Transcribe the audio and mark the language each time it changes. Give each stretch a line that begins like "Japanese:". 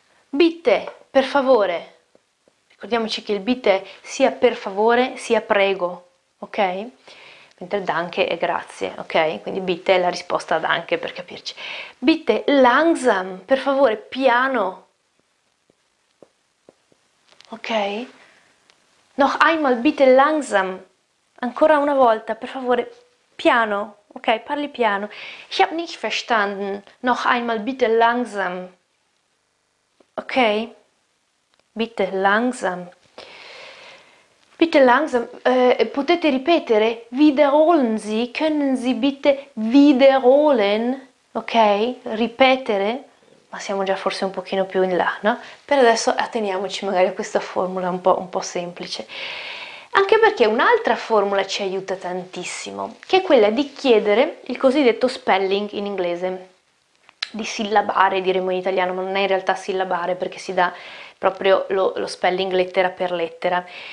Italian: Bitte, per favore. Ricordiamoci che il bitte sia per favore, sia prego, ok? Mentre danke è grazie, ok? Quindi bitte è la risposta a danke per capirci.
German: Bitte, langsam,
Italian: per favore, piano. Ok?
German: Noch einmal, bitte, langsam.
Italian: Ancora una volta, per favore, piano, ok? Parli piano.
German: Ich hab nicht verstanden. Noch einmal bitte langsam. Ok? Bitte langsam. Bitte langsam.
Italian: Potete ripetere?
German: Wiederholen Sie? Können Sie bitte wiederholen?
Italian: Ok? Ripetere? Ma siamo già forse un pochino più in là, no? Per adesso atteniamoci magari a questa formula un po' semplice. Anche perché un'altra formula ci aiuta tantissimo, che è quella di chiedere il cosiddetto spelling in inglese, di sillabare, diremmo in italiano, ma non è in realtà sillabare perché si dà proprio lo spelling lettera per lettera.